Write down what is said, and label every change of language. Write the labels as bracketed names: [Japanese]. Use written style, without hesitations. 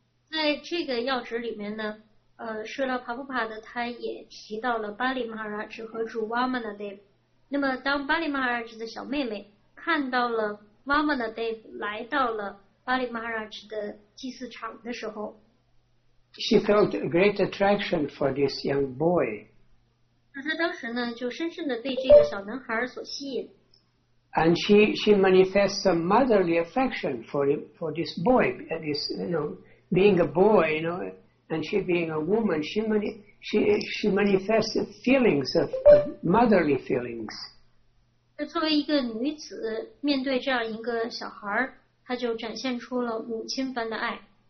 [Chinese] 在这个要旨里面呢，Srila Prabhupada 他也提到了 Bali Maharaj 和主 Vamana Deva。那么当巴里马哈拉什的小妹妹看到了 Vamana Deva 来到了巴里马哈拉什的祭祀场的时候， [English] She felt a great attraction for this young boy. [Chinese] 她当时呢就深深的被这个小男孩所吸引。 [English] And she manifests some motherly affection for this boy, this, you know, being a boy, you know, and she being a woman, she manifested feelings of motherly feelings. [Chinese] 作为一个女子，面对这样一个小孩，她就展现出了母亲般的爱。